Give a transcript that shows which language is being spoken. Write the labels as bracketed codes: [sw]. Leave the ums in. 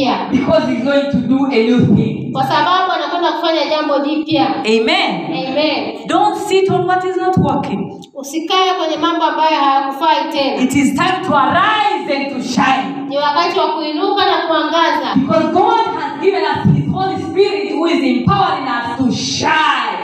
[en] because he's going to do a new thing. [sw] Kwa sababu anakwenda kufanya jambo jipya. Amen. Amen. [en] Don't sit on what is not working. [sw] Usikae kwenye mambo ambayo hayakufai tena. [en] It is time to arise and to shine. [sw] Ni wakati wa kuinuka na kuangaza. [en] Because God has given us his Holy Spirit who is empowering us to shine.